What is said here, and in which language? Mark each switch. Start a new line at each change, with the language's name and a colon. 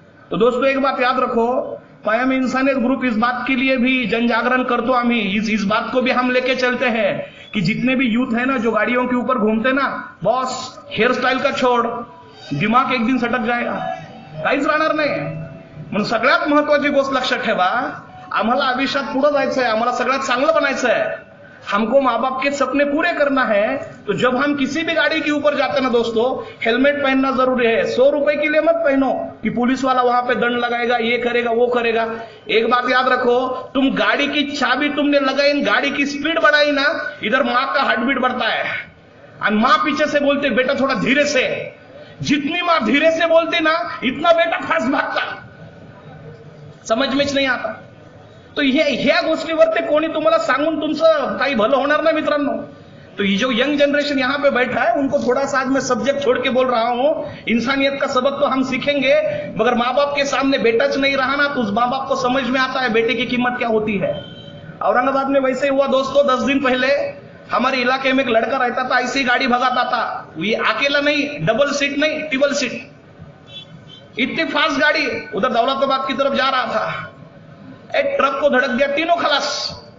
Hindi: तो दोस्तों एक बात याद रखो, पायम इंसानियत ग्रुप इस बात के लिए भी जन जागरण कर दो, हम इस बात को भी हम लेके चलते हैं कि जितने भी यूथ है ना जो गाड़ियों के ऊपर घूमते ना, बॉस हेयर स्टाइल का छोड़, दिमाग एक दिन सटक जाएगा,
Marathi: काहीच राहणार नाही. म्हणून सगळ्यात महत्वाची गोष्ट लक्षात ठेवा, आम्हाला आयुष्यात पुढे जायचंय, आम्हाला सगळ्यात चांगलं बनायचं आहे,
Hindi: हमको मां बाप के सपने पूरे करना है. तो जब हम किसी भी गाड़ी के ऊपर जाते ना दोस्तों, हेलमेट पहनना जरूरी है. 100 रुपए के लिए मत पहनो कि पुलिस वाला वहां पे दंड लगाएगा, ये करेगा वो करेगा. एक बात याद रखो, तुम गाड़ी की चाबी तुमने लगाई, गाड़ी की स्पीड बढ़ाई ना, इधर मां का हार्ट बीट बढ़ता है और मां पीछे से बोलते बेटा थोड़ा धीरे से. जितनी मां धीरे से बोलते ना, इतना बेटा फास्ट भागता. समझ में नहीं आता।
Marathi: तो ह्या गोष्टी वरती कोणी तुम्हाला सांगून तुमचं काही भलं होणार नाही मित्रांनो।
Hindi: तो ये जो यंग जनरेशन यहां पे बैठा है उनको थोड़ा सा आज मैं सब्जेक्ट छोड़ के बोल रहा हूं, इंसानियत का सबक तो हम सीखेंगे, मगर माँ बाप के सामने बेटा च नहीं रहा ना तो उस माँ बाप को समझ में आता है बेटे की कीमत क्या होती है। औरंगाबाद में वैसे हुआ दोस्तों, 10 दिन पहले हमारे इलाके में एक लड़का रहता था, ऐसी गाड़ी भगाता था, ये अकेला नहीं, डबल सीट नहीं ट्रिपल सीट, इतनी फास्ट गाड़ी, उधर दौलताबाद की तरफ जा रहा था, एक ट्रक को धड़क दिया तीनों खलास।